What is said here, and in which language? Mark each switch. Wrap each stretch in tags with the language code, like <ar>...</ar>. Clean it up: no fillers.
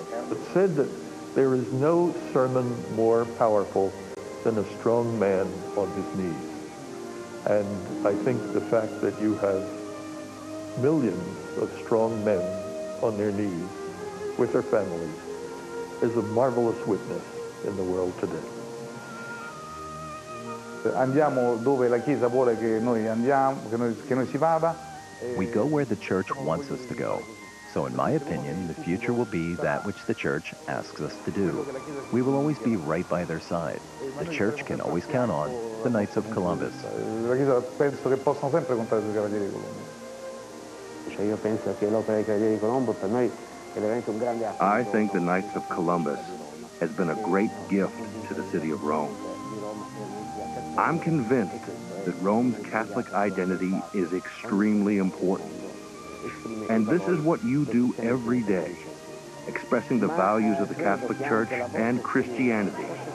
<en>It's said that there is no sermon more powerful than a strong man on his knees. And I think the fact that you have millions of strong men on their knees with their families is a marvelous witness in the world today.</en> <it>Andiamo dove la Chiesa vuole che noi andiamo, che noi si vada.</it> <en>We go where the Church wants us to go. So in my opinion, the future will be that which the Church asks us to do. We will always be right by their side. The Church can always count on the Knights of Columbus.</en> <it>La Chiesa penso che possano sempre contare sui Cavalieri di Colombo. Cioè io penso che l'opera dei Cavalieri di Colombo per noi è veramente un grande affare.</it> <en>I think the Knights of Columbus has been a great gift to the city of Rome. I'm convinced that Rome's Catholic identity is extremely important. And this is what you do every day, expressing the values of the Catholic Church and Christianity.</en>